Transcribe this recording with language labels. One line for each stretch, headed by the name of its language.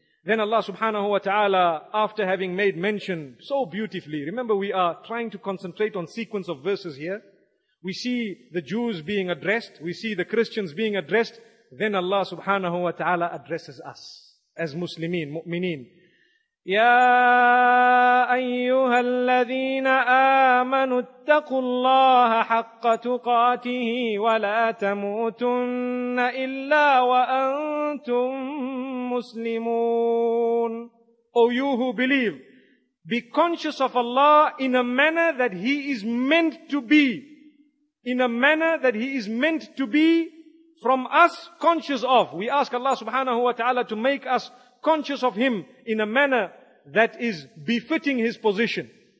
English: Then Allah subhanahu wa ta'ala, after having made mention so beautifully, remember we are trying to concentrate on sequence of verses here. We see the Jews being addressed, we see the Christians being addressed, then Allah subhanahu wa ta'ala addresses us as Muslimin, mu'mineen.
Arabic: يا أيها الذين آمنوا اتقوا الله حق تقاته ولا تموتن إلا وأنتم مسلمون.
English: O you who believe, be conscious of Allah in a manner that He is meant to be. In a manner that He is meant to be from us conscious of. We ask Allah subhanahu wa ta'ala to make us conscious of Him in a manner that is befitting His position.